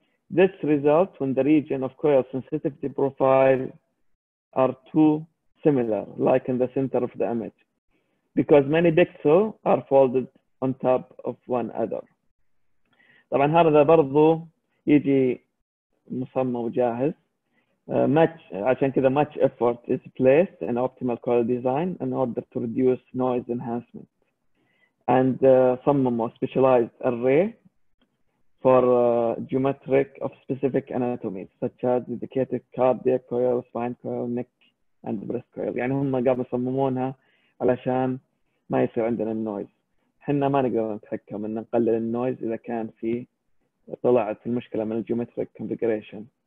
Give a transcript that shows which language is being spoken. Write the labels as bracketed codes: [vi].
[en] This results when the region of coil sensitivity profile are too similar, like in the center of the image, because many pixels are folded on top of one other. [ar] طبعا هذا برضو يجي مصمم وجاهز. عشان كذا [en] much effort is placed in optimal coil design in order to reduce noise enhancement. And [ar] صمم [en] specialized array for geometric of specific anatomy, such as dedicated cardiac coil, spine coil, neck and breast coil. [ar] يعني هم قاموا يصممونها علشان ما يصير عندنا النويز. احنا ما نقدر نتحكم ان نقلل النويز اذا كان في طلعت المشكله من الجيومتريك كونفيجريشن.